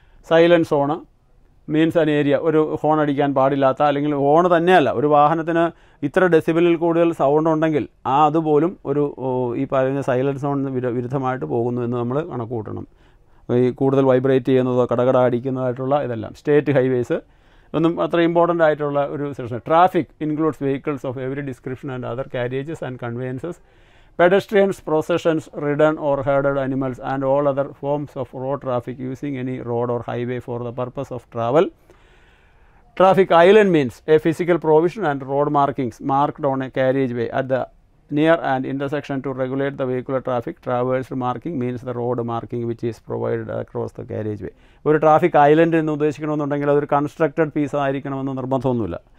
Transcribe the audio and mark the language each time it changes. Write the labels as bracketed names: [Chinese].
[English] silence zone means an area, [Malayalam] ഒരു horn അടിക്കാൻ പാടില്ലാത്ത, അല്ലെങ്കിൽ ഹോൺ തന്നെയല്ല, ഒരു വാഹനത്തിന് ഇത്ര ഡെസിബലിൽ കൂടുതൽ സൗണ്ട് ഉണ്ടെങ്കിൽ അതുപോലും ഒരു ഈ പറയുന്ന സൈലൻസ് സോൺ വിരുദ്ധമായിട്ട് പോകുന്നു എന്ന് നമ്മൾ കണക്ക് കൂട്ടണം. ഈ കൂടുതൽ വൈബ്രേറ്റ് ചെയ്യുന്നതോ കടകട അടിക്കുന്നതായിട്ടുള്ള ഇതെല്ലാം. സ്റ്റേറ്റ് ഹൈവേസ് ഒന്നും അത്ര ഇമ്പോർട്ടൻ്റ് ആയിട്ടുള്ള ഒരു section. [English] Traffic includes vehicles of every description and other carriages and conveyances pedestrians, processions, ridden or herded animals and all other forms of road traffic using any road or highway for the purpose of travel. Traffic island means a physical provision and road markings marked on a carriageway at the near an intersection to regulate the vehicular traffic. Traversed marking means the road marking which is provided across the carriageway. [Malayalam] ഒരു traffic island എന്ന് ഉദ്ദേശിക്കണമെന്നുണ്ടെങ്കിൽ അതൊരു constructed piece ആയിരിക്കണമെന്ന് നിർബന്ധമൊന്നുമില്ല.